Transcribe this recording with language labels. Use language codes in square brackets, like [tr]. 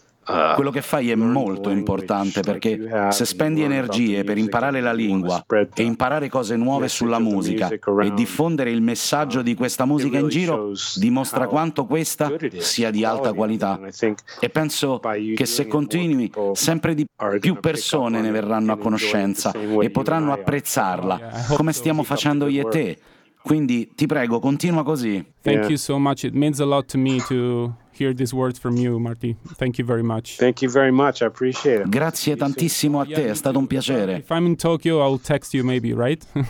[it] Quello che fai è molto importante perché se spendi energie per imparare la lingua e imparare cose nuove sulla musica e diffondere il messaggio di questa musica in giro, dimostra quanto questa sia di alta qualità. E penso che se continui, sempre di più persone ne verranno a conoscenza e potranno apprezzarla, come stiamo facendo io e te. Quindi ti prego, continua così. [en] Thank you so much. It means a lot to me to hear these words from you, Marty. Thank you very much. Thank you very much. I appreciate it. [it] Grazie tantissimo a te, è stato un piacere. [en] If I'm in Tokyo, I'll text you maybe, right?